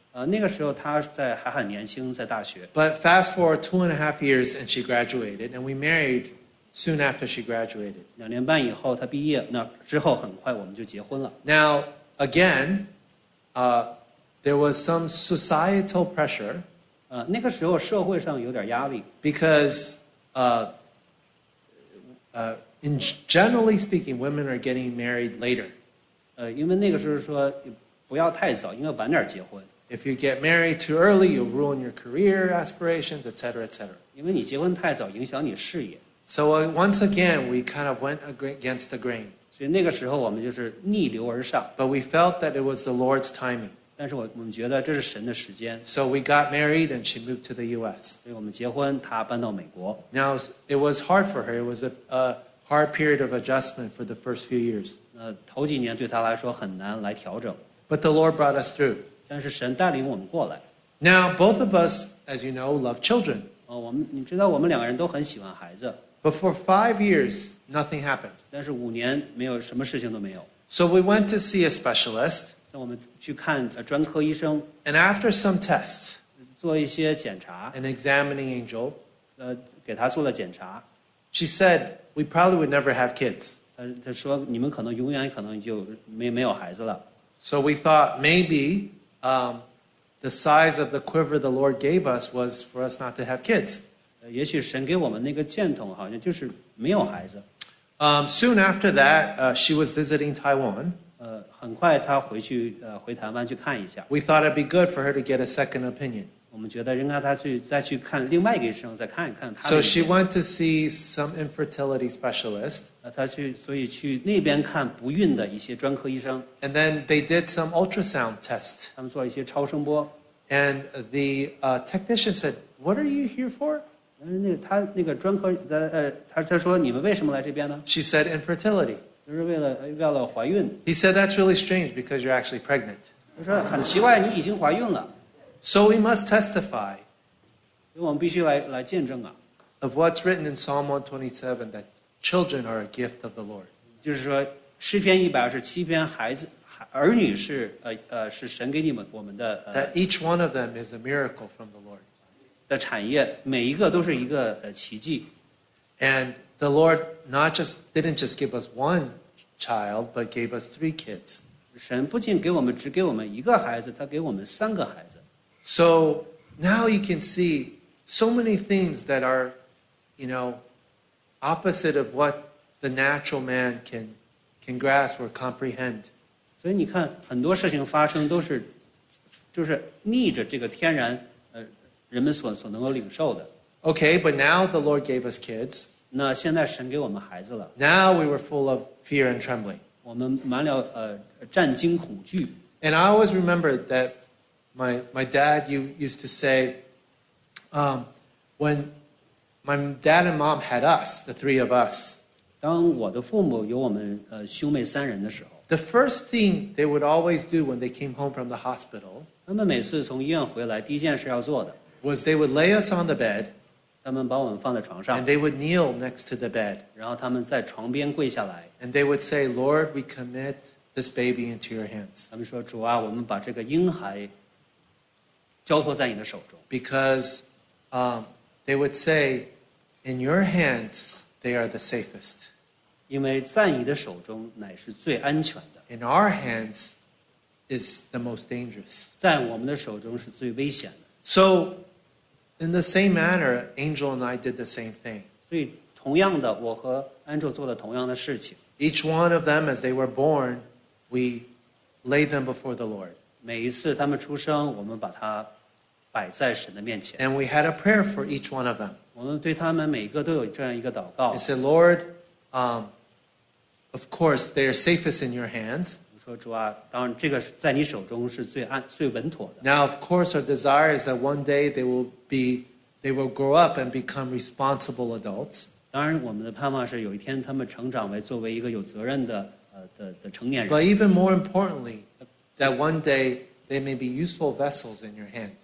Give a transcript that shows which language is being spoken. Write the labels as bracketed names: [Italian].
[Chinese] 那个时候她在还很年轻，在大学。 [English] But fast forward 2.5 years and she graduated, and we married soon after she graduated. [Chinese] 两年半以后她毕业，那之后很快我们就结婚了。 [English] Now again, there was some societal pressure. [Chinese] 那个时候社会上有点压力。 [English] Because, in generally speaking, women are getting married later. [Chinese] 因为那个时候说不要太早，应该晚点结婚。 [English] If you get married too early, you'll ruin your career aspirations, etc., etc. [Chinese] 因为你结婚太早，影响你事业。 [English] So once again, we kind of went against the grain. [Chinese] 所以那个时候我们就是逆流而上。 [English] But we felt that it was the Lord's timing. [Chinese] 但是我们觉得这是神的时间。 [English] So we got married, and she moved to the U.S. [Chinese] 所以我们结婚，她搬到美国。 [English] Now it was hard for her. It was a hard period of adjustment for the first few years. [Chinese] 头几年对她来说很难来调整。 [English] But the Lord brought us through. [Chinese] 但是神带领我们过来。 [English] Now, both of us, as you know, love children. [Chinese] 你知道我们两个人都很喜欢孩子。 [English] But for 5 years, nothing happened. [Chinese] 但是五年没有什么事情都没有。 [English] So we went to see a specialist. [Chinese] 那我们去看专科医生。 [English] And after some tests, [Chinese] 做一些检查。 [English] An examining angel, [Chinese] 给他做了检查。 [English] She said, "We probably would never have kids." [Chinese] 他说你们可能永远可能就没有孩子了。 [English] So we thought maybe. The size of the quiver the Lord gave us was for us not to have kids. [Chinese] 也许神给我们那个箭筒好像就是没有孩子。 [English] Soon after that, she was visiting Taiwan. [Chinese] 很快她回去回台湾去看一下。 [English] We thought it'd be good for her to get a second opinion. [Chinese] 我们觉得应该她去再去看另外一个医生再看一看她。 [English] So she went to see some infertility specialist. [Chinese] 所以去那边看不孕的一些专科医生。 [English] And then they did some ultrasound test. [Chinese] 他们做了一些超声波。 [English] And the technician said, "What are you here for?" [Chinese] 那个专科的他说你们为什么来这边呢 [English] ？She said infertility. [Chinese] 就是为了怀孕。 [English] He said, "That's really strange because you're actually pregnant." [Chinese] 他说很奇怪，你已经怀孕了。 [English] So we must testify. [Chinese] 所以我们必须 来见证啊。 [English] Of what's written in Psalm 127, that children are a gift of the Lord. [Chinese] 就是说诗篇一百二十七篇孩子儿女是是神给你们我们的。 [English] That each one of them is a miracle from the Lord. [Chinese] 的产业每一个都是一个奇迹。 [English] And the Lord didn't just give us one child, but gave us three kids. [Chinese] 神不仅给我们只给我们一个孩子，他给我们三个孩子。 [English] So now you can see so many things that are, you know, opposite of what the natural man can grasp or comprehend. [Chinese] 所以你看，很多事情发生都是，就是逆着这个天然人们所能够领受的。 [English] Okay, but now the Lord gave us kids. [Chinese] 那现在神给我们孩子了。 [English] Now we were full of fear and trembling. [Chinese] 我们满了战惊恐惧。 [English] And I always remember that my dad used to say, when my dad and mom had us, the three of us. [Chinese] 当我的父母有我们兄妹三人的时候。 [English] The first thing they would always do when they came home from the hospital. [Chinese] 他们每次从医院回来，第一件事要做的。 [English] Was they would lay us on the bed. [Chinese] 他们把我们放在床上。 [English] And they would kneel next to the bed. [Chinese] 然后他们在床边跪下来。 [English] And they would say, Lord, we commit this baby into your hands. [Chinese] 他们说，主啊，我们把这个婴孩交托在你的手中。 [English] Because, they would say, in your hands, they are the safest. [Chinese] 因为在你的手中乃是最安全的。 [English] In our hands is the most dangerous. [Chinese] 在我们的手中是最危险的。 [English] So,In the same manner, Angel and I did the same thing. [Chinese] 所以同样的，我和 Angel 做了同样的事情。 [English] Each one of them, as they were born, we laid them before the Lord. [Chinese] 每一次他们出生，我们把它摆在神的面前。 [English] And we had a prayer for each one of them. [Chinese] 我们对他们每一个都有这样一个祷告。 [English] We said, Lord, of course, they are safest in your hands. [Chinese] 说主啊，当然这个在你手中是最稳妥的。 [English] Now, of course, our desire is that one day they will grow up and become responsible adults. [Chinese] 当然，我们的盼望是有一天他们成长为作为一个有责任的成年人。 [English] But even more importantly, that one day they may be useful vessels in your hand.